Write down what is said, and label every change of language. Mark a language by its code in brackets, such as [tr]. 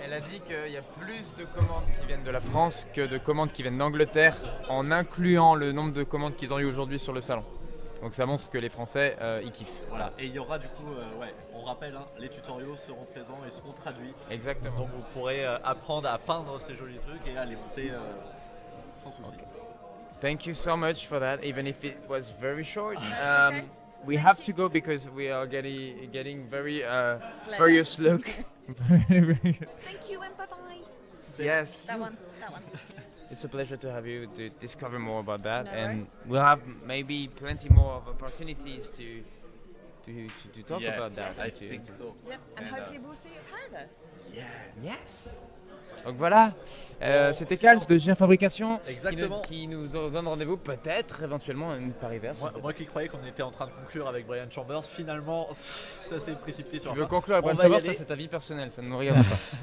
[fr] Elle a dit qu'il y a plus de commandes qui viennent de la France que de commandes qui viennent d'Angleterre, en incluant le nombre de commandes qu'ils ont eu aujourd'hui sur le salon. Donc ça montre que les Français, ils kiffent. Voilà, et il y aura du coup, on rappelle, les tutoriels seront présents et seront traduits. Exactement. Donc vous pourrez apprendre à peindre ces jolis trucs et à les monter sans souci. [en] Okay. Thank you so much for that, even if it was very short. We have to go because we are getting very furious look. Thank you and bye-bye. Yes. That one. It's a pleasure to have you to discover more about that. No worries. We'll have maybe plenty more of opportunities to talk about that. Yes, I think so. Yep. And hopefully we'll see you at Paradise. Yeah. Yes. [fr] Donc voilà, c'était Kals de Gir Fabrication qui nous donne rendez-vous peut-être éventuellement une Paris Verse. Moi qui croyais qu'on était en train de conclure avec Brian Chambers, finalement ça s'est précipité sur un. Tu veux conclure avec Brian Chambers, ça c'est ta vie personnelle, ça ne nous regarde pas.